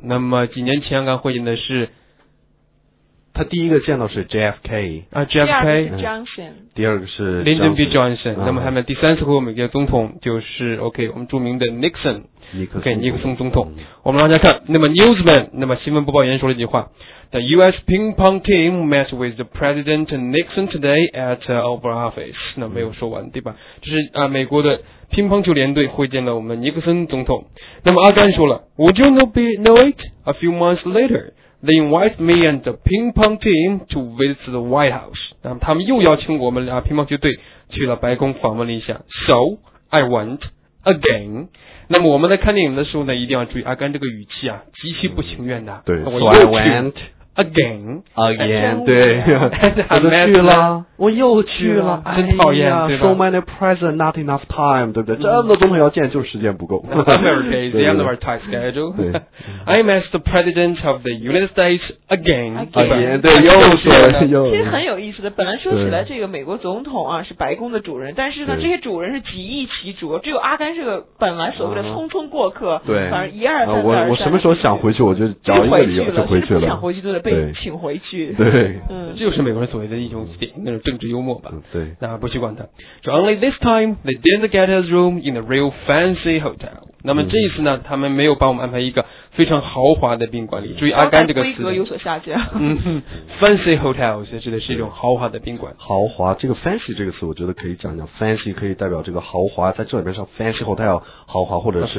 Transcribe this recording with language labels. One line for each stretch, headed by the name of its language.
Chinese: 那么几年前阿甘会见的是，他第一个见到是 JFK 啊，JFK，第二个是 Lyndon B. Johnson，那么下面第三次会见美国总统就是 OK 我们著名的 Nixon。尼克松总统，我们往下看。那么 Newsman， 那么新闻播报员说了一句话 ：
English: The U.S. ping pong team met with the President Nixon today at Oval Office。
Chinese: 那没有说完，对吧？就是啊，美国的乒乓球联队会见了我们尼克森总统。那么阿甘说了 ：
English: Would you know it? A few months later, they invite me and the ping pong team to visit the White House。
Chinese: 那么他们又邀请我们俩乒乓球队去了白宫访问了一下。
English: So I went again。
Chinese: 那么我们在看电影的时候呢，一定要注意阿甘这个语气啊，极其不情愿的。对，我又去
English: so I went again，
Chinese: 对，去了，我又去了，真讨厌，对吧？
English: So many presents, not enough time，
Chinese: 对不对？这么多东西要见，就是时间不够。
English: America is the end of our tight schedule. I met the president of the United States again，
Chinese: 对，又说又。其实很有意思的，本来说起来这个美国总统啊是白宫的主人，但是呢这些主人是几易其主，只有阿甘是个本来所谓的匆匆过客，对，反正一二三三。我什么时候想回去，我就找一个理由就回去了。想回去对。被请回去，对，就是美国人所谓的英雄点，那种政治幽默吧，对，那不习惯的。
English: So only this time they didn't get a room in a real fancy hotel。
Chinese: 那么这一次呢，他们没有把我们安排一个非常豪华的宾馆里。注意阿甘这个词，规格有所下降。 fancy hotel 其实指的是一种豪华的宾馆。豪华，这个 fancy 这个词，我觉得可以讲讲。fancy 可以代表这个豪华，在这里面上 fancy hotel 豪华，或者是